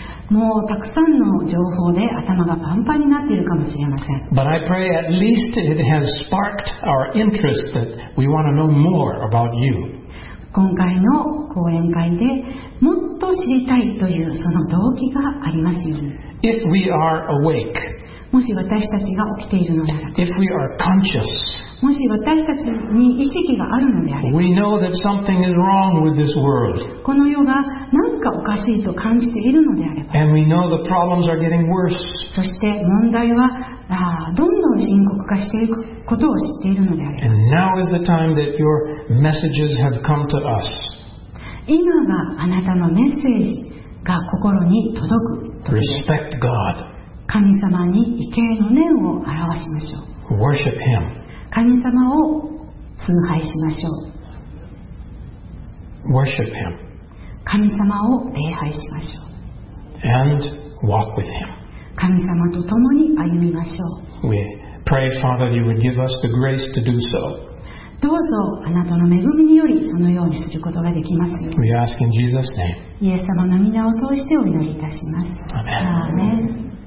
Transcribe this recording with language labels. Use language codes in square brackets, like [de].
[ja] もうたくさんの情報で頭がパンパンになっているかもしれません。 [en] But I pray at least it has sparked our interest that we want to know more about you. [ja] 今回の講演会でもっと知りたいというその動機がありますように。 [en] If we are awake, [ja] もし私たちが起きているのなら、 [en] If we are conscious, [ja] もし私たちに意識があるのであれば、 [en] We know that something is wrong with this world. [ja] この世が何かおかしいと感じているのであれば、 [en] And we know the problems are getting worse. [ja] そして問題はどんどん深刻化していくことを知っているのであれば、 [en] And now is the time that your messages have come to us. [ja] 今があなたのメッセージが心に届く。 [en] Respect God. [ja] 神様に畏敬の念を表しましょう。 [en] Worship him. [ja] 神様を崇拝しましょう。 [en] Worship him. [ja] 神様を礼拝しましょう。 [en] And walk with him. [ja] 神様と共に歩みましょう。 [en] We pray, Father, you would give us the grace to do so. [ja] どうぞあなたの恵みによりそのようにすることができますように。 [en] We ask in Jesus' name. [ja] イエス様の名を通してお祈りいたします。 [en] Amen. アーメン。